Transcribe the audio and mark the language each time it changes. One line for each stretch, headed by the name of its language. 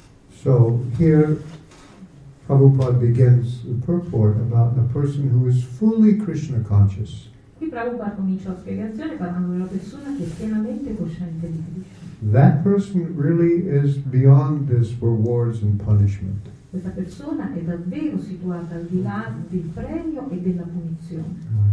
English: So here Prabhupada begins the purport about a person who is fully Krishna conscious.
Italian: Qui Prabhupada comincia la spiegazione parlando della persona che è pienamente cosciente di Krishna.
English: That person really is beyond this rewards and punishment.
Italian: Questa persona è davvero situata al di là del premio e della punizione.